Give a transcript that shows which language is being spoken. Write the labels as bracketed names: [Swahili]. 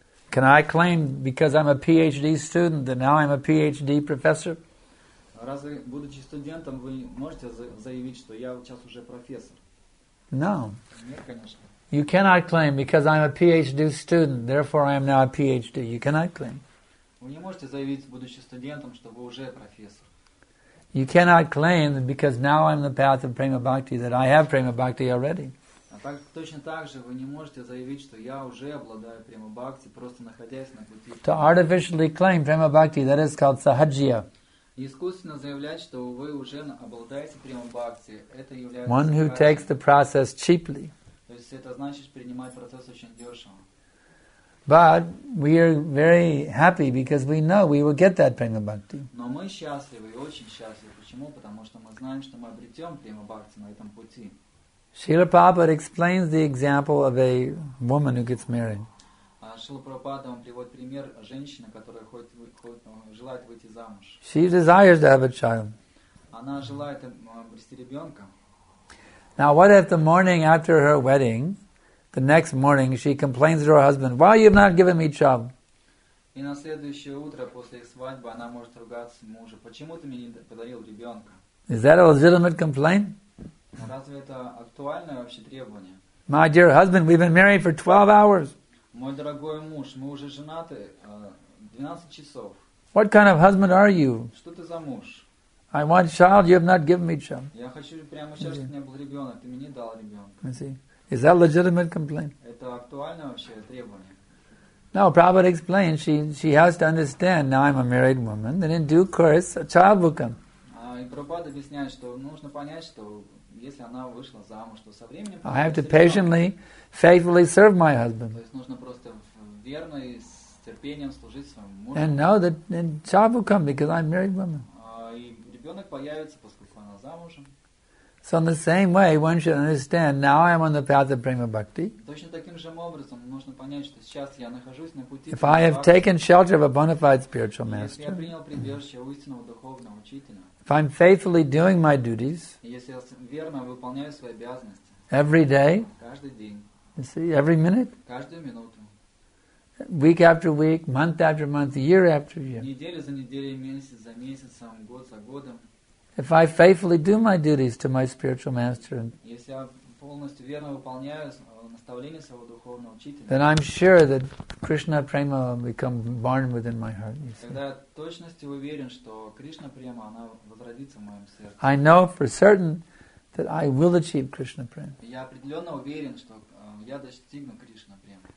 [English] Can I claim because I'm a PhD student that now I'm a PhD professor? [Russian] Разве будучи студентом вы можете заявить, что я сейчас уже профессор? [English] No. [Russian] Нет, конечно. [English] You cannot claim because I'm a PhD student, therefore I am now a PhD. You cannot claim. [Russian] Вы не можете заявить, будучи студентом, что вы уже профессор. [English] You cannot claim that because now I'm on the path of prema bhakti that I have prema bhakti already. [Russian] Точно так же вы не можете заявить, что я уже обладаю prema bhakti, просто находясь на пути. [English] To artificially claim prema bhakti, that is called sahajya. [Russian] Искусственно заявлять, что вы уже обладаете prema bhakti, это является. [English] One who takes the process cheaply. [Russian] То есть это значит принимать процесс очень дешево. [English] But we are very happy because we know we will get that prema bhakti. [Russian] Но мы счастливы, очень счастливы. Почему? Потому что мы знаем, что мы обретем prema bhakti на этом пути. [English] Srila Prabhupada explains the example of a woman who gets married. [Russian] Srila Prabhupada приводит пример женщины, которая желает выйти замуж. [English] She desires to have a child. [Russian] Она желает обрести ребенка. [English] Now, what if the morning after her wedding, the next morning, she complains to her husband, "Why you've not given me child?" [Russian] И на следующее утро после их свадьбы она может ругаться мужу: "Почему ты мне не подарил ребенка?" [English] Is that a legitimate complaint? [Russian] Разве это актуальное вообще требование? [English] My dear husband, we've been married for 12 hours. [Russian] Мой дорогой муж, мы уже женаты 12 часов. [English] What kind of husband are you? [Russian] Что ты за муж? [English] I want child, you have not given me child. [Russian] Я хочу прямо сейчас, чтобы у меня был ребенок, ты мне не дал ребенка. [English] Is that a legitimate complaint? [Russian] Это актуальное вообще требование? [English] No, Prabhupada explains, she has to understand, now I'm a married woman, that in due course, a child will come. [Russian] И Прабхупада объясняет, что нужно понять, что если она вышла замуж, то со временем. [English] I have to patiently, faithfully serve my husband. [Russian] То есть нужно просто верно и с терпением служить своему мужу. [English] And know that the child will come because I'm married woman. [Russian] И ребенок появится, поскольку она замужем. [English] So in the same way, one should understand. Now I am on the path of prema bhakti. [Russian] Точно таким же образом нужно понять, что сейчас я нахожусь на пути. [English] If I have taken shelter of a bona fide spiritual master. [Russian] Если я принял прибежище у истинного духовного учителя. [English] If I'm faithfully doing my duties, [Russian] если я верно выполняю свои обязанности, [English] every day, [Russian] каждый день, [English] you see, every minute, [Russian] каждую минуту, [English] week after week, month after month, year after year, [Russian] неделя за неделей, месяц за месяцем, год за годом, [English] if I faithfully do my duties to my spiritual master, [Russian] если я полностью верно выполняю наставления своего духовного учителя, [English] then I'm sure that Krishna prema become born within my heart. [Russian] Тогда точностью уверен, что Кришна према она возродится в моем сердце. [English] I know for certain that I will achieve Krishna prema. [Russian] Я определенно уверен, что я достигну Кришна према.